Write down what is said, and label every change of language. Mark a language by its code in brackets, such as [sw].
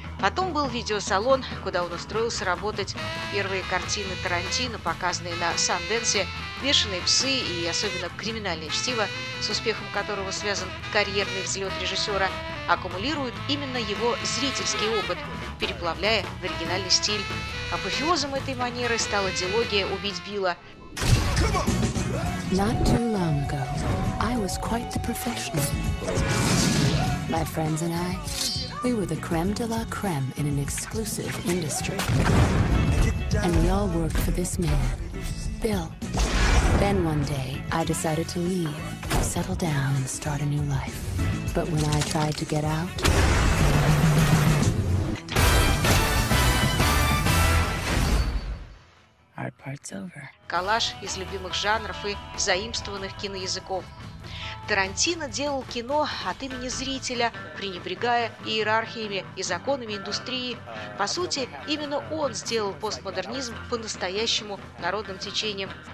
[ru] Потом был видеосалон, куда он устроился работать. Первые картины Тарантино, показанные на Санденсе, «Бешеные псы» и особенно «Криминальное чтиво», с успехом которого связан карьерный взлет режиссера, аккумулируют именно его зрительский опыт, переплавляя в оригинальный стиль. Апофеозом этой манеры стала дилогия «Убить Билла». [en] Not too long ago, I was quite the professional. My friends and I, we were the creme de la creme in an exclusive industry. And we all worked for this man, Bill. Then one day, I decided to leave, settle down and start a new life. But when I tried to get out, hard part's over. [ru] Коллаж из любимых жанров и заимствованных киноязыков. Тарантино делал кино от имени зрителя, пренебрегая иерархиями и законами индустрии. По сути, именно он сделал постмодернизм по-настоящему народным течением.